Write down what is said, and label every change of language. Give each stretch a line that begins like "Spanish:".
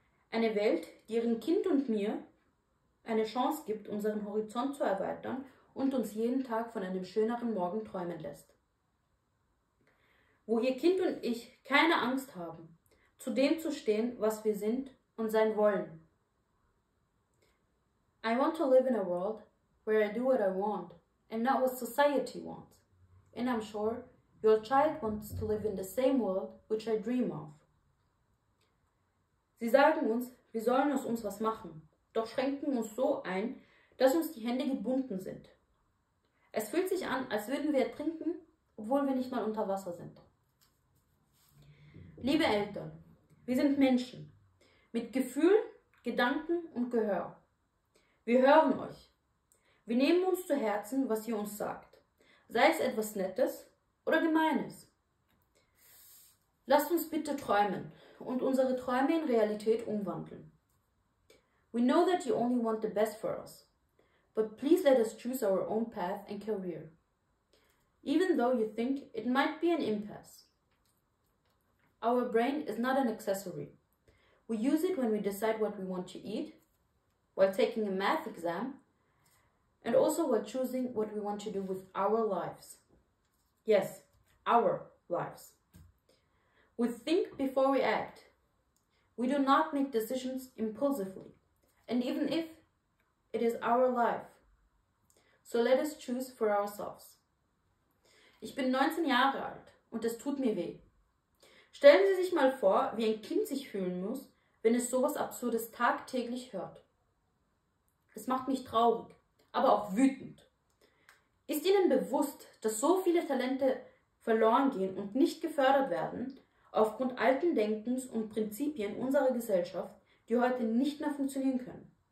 German: Eine Welt, die Ihrem Kind und mir eine Chance gibt, unseren Horizont zu erweitern und uns jeden Tag von einem schöneren Morgen träumen lässt. Wo Ihr Kind und ich keine Angst haben, zu dem zu stehen, was wir sind und sein wollen.
English: I want to live in a world where I do what I want and not what society wants. And I'm sure your child wants to live in the same world which I dream of.
German: Sie sagen uns, wir sollen aus uns was machen, doch schränken uns so ein, dass uns die Hände gebunden sind. Es fühlt sich an, als würden wir ertrinken, obwohl wir nicht mal unter Wasser sind. Liebe Eltern, wir sind Menschen mit Gefühl, Gedanken und Gehör. Wir hören euch. Wir nehmen uns zu Herzen, was ihr uns sagt. Sei es etwas Nettes oder Gemeines. Lasst uns bitte träumen und unsere Träume in Realität umwandeln.
English: We know that you only want the best for us, but please let us choose our own path and career. Even though you think it might be an impasse. Our brain is not an accessory. We use it when we decide what we want to eat, while taking a math exam, and also while choosing what we want to do with our lives. Yes, our lives. We think before we act. We do not make decisions impulsively, and even if it is our life. So let us choose for ourselves.
German: Ich bin 19 Jahre alt und es tut mir weh. Stellen Sie sich mal vor, wie ein Kind sich fühlen muss, wenn es sowas Absurdes tagtäglich hört. Es macht mich traurig, aber auch wütend. Ist Ihnen bewusst, dass so viele Talente verloren gehen und nicht gefördert werden, aufgrund alten Denkens und Prinzipien unserer Gesellschaft, die heute nicht mehr funktionieren können?